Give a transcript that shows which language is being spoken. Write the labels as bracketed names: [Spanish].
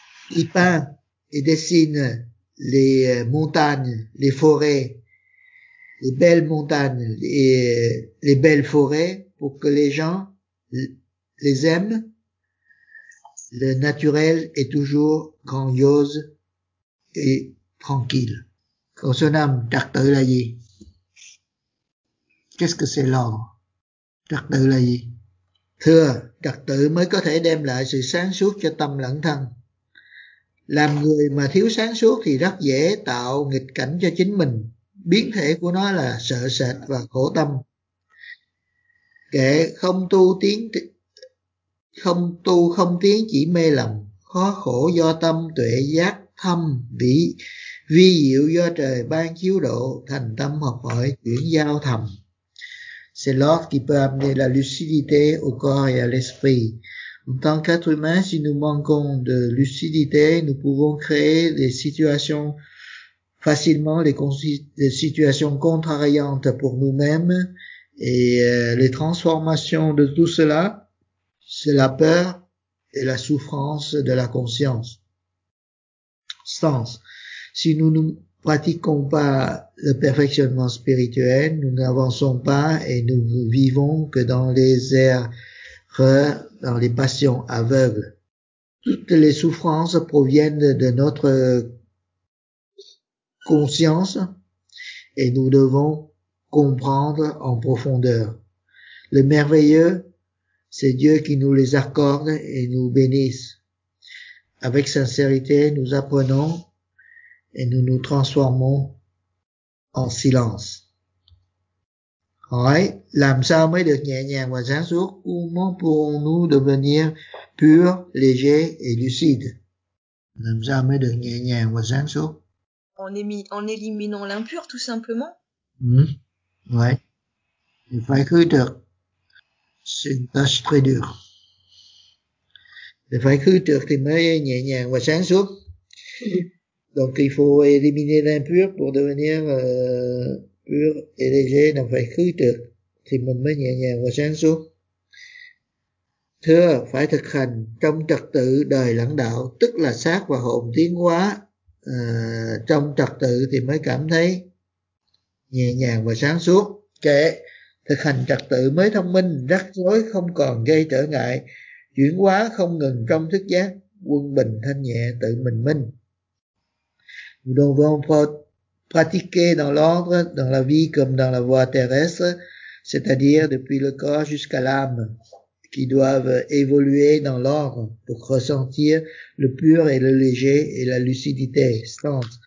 [French] Il peint et dessine les montagnes, les forêts, les belles montagnes et les belles forêts pour que les gens les aiment. Le naturel est toujours grandiose et tranquille. [Vietnamese] Còn số 5, trật tự là gì? [French] Qu'est-ce que c'est l'ordre? [Vietnamese] Trật tự là gì? Thưa, trật tự mới có thể đem lại sự sáng suốt cho tâm lẫn thân. Làm người mà thiếu sáng suốt thì rất dễ tạo nghịch cảnh cho chính mình. Biến thể của nó là sợ sệt và khổ tâm. Kẻ không tu tiến, không tu không tiến chỉ mê lầm, khó khổ do tâm tuệ giác thâm vị. Vi diệu do trời ban chiếu độ, thành tâm học hỏi chuyển giao thầm. [French] C'est l'ordre qui peut amener la lucidité au corps et à l'esprit. En tant qu'être humain, si nous manquons de lucidité, nous pouvons créer des situations facilement, des situations contrariantes pour nous-mêmes, et les transformations de tout cela, c'est la peur et la souffrance de la conscience. Sens. Si nous ne pratiquons pas le perfectionnement spirituel, nous n'avançons pas et nous ne vivons que dans les erreurs, dans les passions aveugles. Toutes les souffrances proviennent de notre conscience et nous devons comprendre en profondeur. Le merveilleux, c'est Dieu qui nous les accorde et nous bénisse. Avec sincérité, nous apprenons et nous nous transformons en silence. [Vietnamese] Hỏi, làm sao mới được nhẹ nhàng và sáng suốt? [French] Comment pouvons-nous devenir pur, léger et lucide? [Vietnamese] Làm sao mới được nhẹ nhàng và sáng suốt? [French] En éliminant l'impur, tout simplement. Ouais. Il faut que tu... C'est une tâche très dure. Il faut que tu te mets [Vietnamese] nhẹ nhàng và sáng suốt. [French] Donc il faut éliminer l'impur pour devenir pur et léger dans votre cœur. [Vietnamese] thì mình mới nhẹ nhàng và sáng suốt. Thưa, phải thực hành trong trật tự đời lãnh đạo, tức là xác và hồn tiến hóa trong trật tự thì mới cảm thấy nhẹ nhàng và sáng suốt. Kệ, thực hành trật tự mới thông minh, rắc rối không còn gây trở ngại, chuyển hóa không ngừng trong thức giác, quân bình thanh nhẹ tự mình minh. [French] Nous devons pratiquer dans l'ordre, dans la vie comme dans la voie terrestre, c'est-à-dire depuis le corps jusqu'à l'âme, qui doivent évoluer dans l'ordre pour ressentir le pur et le léger et la lucidité. Sens.